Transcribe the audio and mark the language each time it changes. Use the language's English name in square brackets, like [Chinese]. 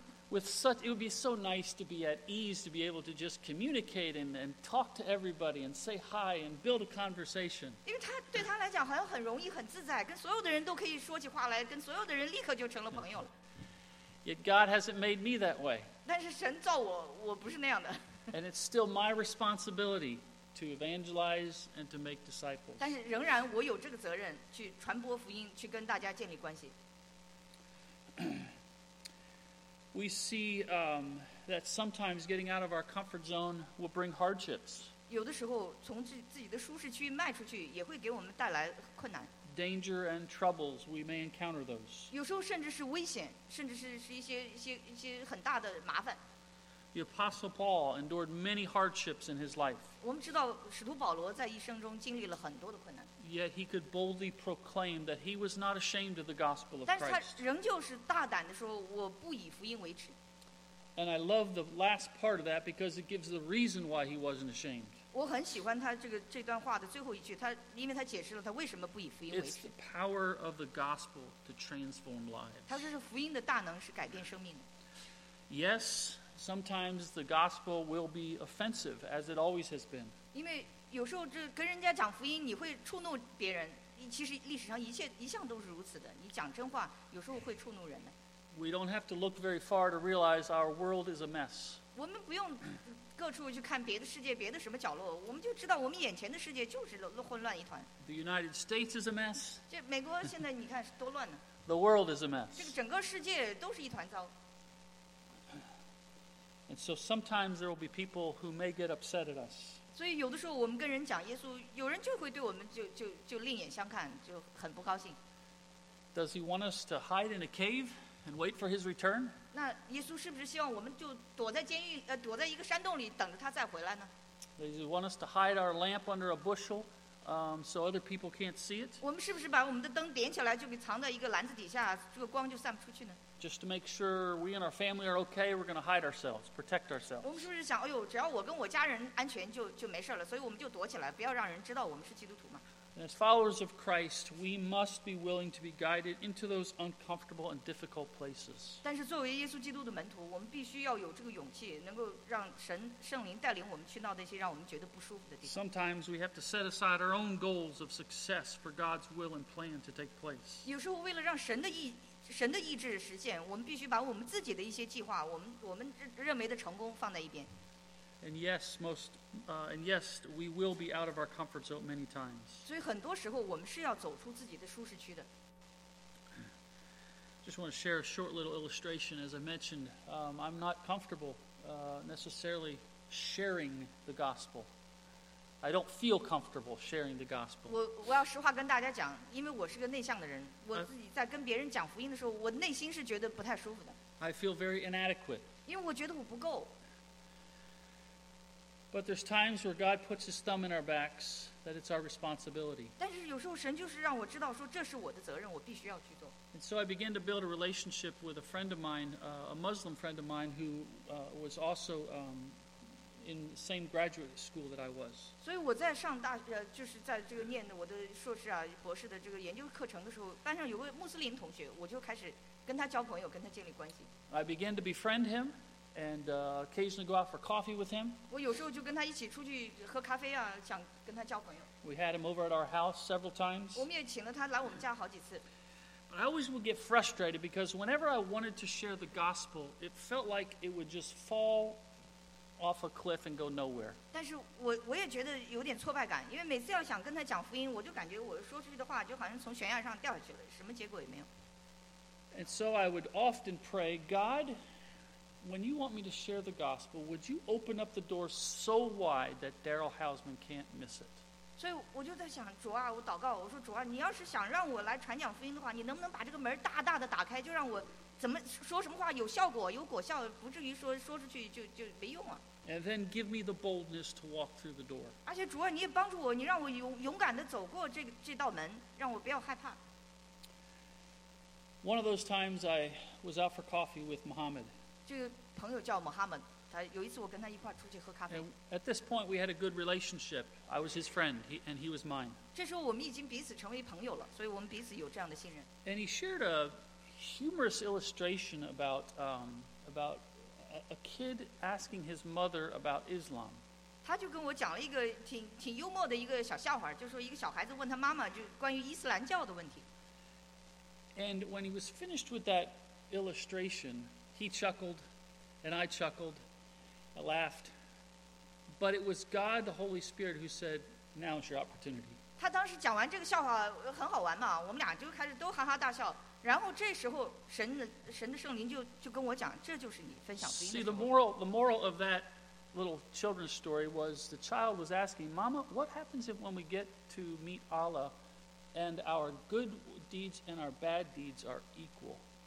[English] With such, it would be so nice to be at ease to be able to just communicate and talk to everybody and say hi and build a conversation. [Chinese] 因为他对他来讲好像很容易很自在，跟所有的人都可以说起话来，跟所有的人立刻就成了朋友了。 [English] Yet God hasn't made me that way. [Chinese] 但是神造我，我不是那样的。 [English] And it's still my responsibility to evangelize and to make disciples. [Chinese] 但是仍然我有这个责任去传播福音，去跟大家建立关系。 [English] We see that sometimes getting out of our comfort zone will bring hardships. [Chinese] 有的时候从自己的舒适区迈出去，也会给我们带来困难。 [English] Danger and troubles, we may encounter those. [Chinese] 有时候甚至是危险，甚至是一些很大的麻烦。 [English] The Apostle Paul endured many hardships in his life. [Chinese] 我们知道使徒保罗在一生中经历了很多的困难。 [English] Yet he could boldly proclaim that he was not ashamed of the gospel of Christ. [Chinese] 但是他仍旧是大胆地说，我不以福音为耻。 [English] And I love the last part of that because it gives the reason why he wasn't ashamed. [Chinese] 我很喜欢他这段话的最后一句，因为他解释了他为什么不以福音为耻。 [English] It's the power of the gospel to transform lives. [Chinese] 他说是福音的大能是改变生命的。 [English] Yes, sometimes the gospel will be offensive, as it always has been. [Chinese] 因为有时候这跟人家讲福音，你会触怒别人。其实历史上一向都是如此的。你讲真话，有时候会触怒人的。 [English] We don't have to look very far to realize our world is a mess. [Chinese] 我们不用。各处去看别的世界，别的什么角落，我们就知道我们眼前的世界就是混乱一团。 [English] The United States is a mess. [Chinese] 这美国现在你看是多乱呢。 [English] The world is a mess. [Chinese] 这个整个世界都是一团糟。 [English] And so sometimes there will be people who may get upset at us. [Chinese] 所以有的时候我们跟人讲耶稣，有人就会对我们就另眼相看，就很不高兴。 [English] Does he want us to hide in a cave and wait for his return? [Chinese] 那耶稣是不是希望我们就躲在监狱，躲在一个山洞里等着他再回来呢 [English] ？Does he want us to hide our lamp under a bushel, so other people can't see it? [Chinese] 我们是不是把我们的灯点起来，就给藏在一个篮子底下，这个光就散不出去呢 [English] ？Just to make sure we and our family are okay, we're going to hide ourselves, protect ourselves. [Chinese] 我们是不是想，哎呦，只要我跟我家人安全就没事了，所以我们就躲起来，不要让人知道我们是基督徒嘛？ [English] As followers of Christ, we must be willing to be guided into those uncomfortable and difficult places. [Chinese] 但是作为耶稣基督的门徒，我们必须要有这个勇气，能够让神圣灵带领我们去到那些让我们觉得不舒服的地方。 [English] Sometimes we have to set aside our own goals of success for God's will and plan to take place. [Chinese] 有时候为了让神的意志实现，我们必须把我们自己的一些计划，我们认为的成功放在一边。 [English] And yes, we will be out of our comfort zone many times. [Chinese] 所以很多时候我们是要走出自己的舒适区的。 [English] just want to share a short little illustration. As I mentioned, I'm not comfortable necessarily sharing the gospel. I don't feel comfortable sharing the gospel. [Chinese] 我要实话跟大家讲，因为我是个内向的人，我自己在跟别人讲福音的时候，我内心是觉得不太舒服的。 [English] I feel very inadequate. [Chinese] 因为我觉得我不够。 [English] But there's times where God puts His thumb in our backs that it's our responsibility. [Chinese] 但是有时候神就是让我知道说这是我的责任，我必须要去做。 [English] And so I began to build a relationship with a friend of mine, a Muslim friend of mine who was also in the same graduate school that I was. [Chinese] 所以我在上大就是在这个念的我的硕士啊博士的这个研究课程的时候，班上有位穆斯林同学，我就开始跟他交朋友，跟他建立关系。 [English] I began to befriend him. And occasionally go out for coffee with him. [Chinese] 我有时候就跟他一起出去喝咖啡啊，想跟他交朋友。 [English] We had him over at our house several times. [Chinese] 我们也请了他来我们家好几次。 [English] But I always would get frustrated because whenever I wanted to share the gospel, it felt like it would just fall off a cliff and go nowhere. [Chinese] 但是我也觉得有点挫败感，因为每次要想跟他讲福音，我就感觉我说出去的话就好像从悬崖上掉下去了，什么结果也没有。 [English] And so I would often pray, God. When you want me to share the gospel, would you open up the door so wide that Daryl Hausman can't miss it? [Chinese] 所以我就在想，主啊，我祷告，我说主啊，你要是想让我来传讲福音的话，你能不能把这个门大大的打开，就让我怎么说什么话有效果，有果效，不至于说出去就没用啊。 [English] And then give me the boldness to walk through the door. [Chinese] 而且主啊，你也帮助我，你让我勇敢地走过这道门，让我不要害怕。 [English] One of those times, I was out for coffee with Muhammad. [Chinese] 这个朋友叫 Muhammad， 他有一次我跟他一块出去喝咖啡。 [English] At this point, we had a good relationship. I was his friend, and he was mine. [Chinese] 这时候我们已经彼此成为朋友了，所以我们彼此有这样的信任。 [English] And he shared a humorous illustration about a kid asking his mother about Islam. [Chinese] 他就跟我讲了一个挺幽默的一个小笑话，就是说一个小孩子问他妈妈就关于伊斯兰教的问题。 [English] And when he was finished with that illustration. He chuckled, and I chuckled, I laughed. But it was God, the Holy Spirit, who said, now's your opportunity. [Chinese] 他当时讲完这个笑话很好玩嘛，我们俩就开始都哈哈大笑。然后这时候神的圣灵就跟我讲，这就是你分享福音的时候。 [English] See, the moral of that little children's story was the child was asking, Mama, what happens if when we get to meet Allah and our good deeds and our bad deeds are equal?